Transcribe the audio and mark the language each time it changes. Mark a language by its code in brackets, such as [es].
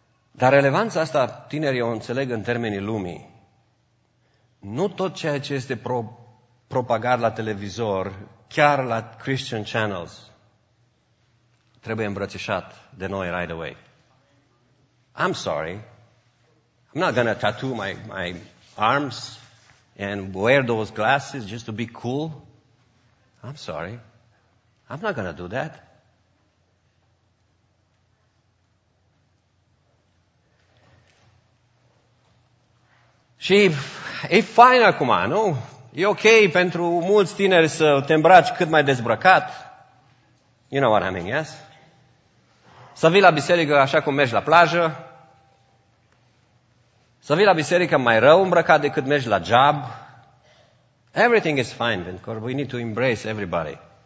[ro] Dar relevanța asta, tinerii o înțeleg în termenii lumii. Nu tot ceea ce este propagat la televizor, chiar la [en] Christian channels, [ro] trebuie îmbrățișat de noi [en] right away. I'm sorry. I'm not going to tattoo my arms and wear those glasses just to be cool. I'm sorry. I'm not going to do that. [ro] Și e fain acum, nu? E ok pentru mulți tineri să te îmbraci cât mai dezbrăcat. [en] You know what I mean, yes? [ro] Să vii la biserică așa cum mergi la plajă. Să vii la biserică mai rău îmbrăcat decât mergi la job. [en] Everything is fine, because we need to embrace everybody.